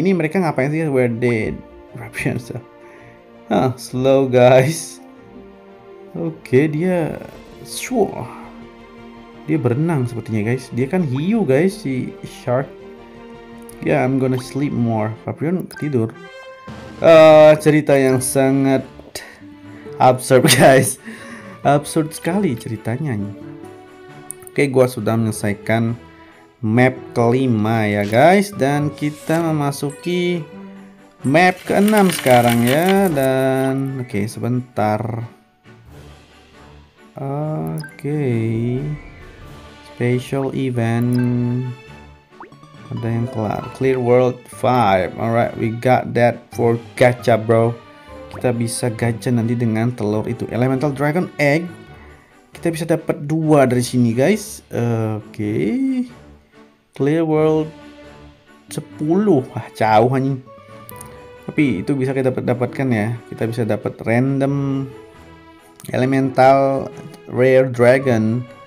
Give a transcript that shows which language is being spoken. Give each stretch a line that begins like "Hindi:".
Indonesian: Ini mereka ngapain sih?
English: Where did Paprion go? Huh, slow guys.
Indonesian: Oke, dia dia berenang sepertinya guys. Dia kan hiu guys, si shark.
English: Yeah, I'm gonna sleep more.
Indonesian: Paprion tidur. Cerita yang sangat absurd guys. Absurd sekali ceritanya. Oke, gua sudah menyelesaikan map kelima ya guys, dan kita memasuki map keenam sekarang ya. Dan oke, sebentar. Oke. Special event. Ada yang kelar.
English: Clear World 5. Alright, we got that for gacha, bro.
Indonesian: Kita bisa gacha nanti dengan telur itu. Elemental Dragon Egg. Kita bisa dapat 2 dari sini, guys. Oke.
English: Clear World 10.
Indonesian: Wah, jauh anjing. Tapi itu bisa kita dapatkan ya. Kita bisa dapat random elemental rare dragon.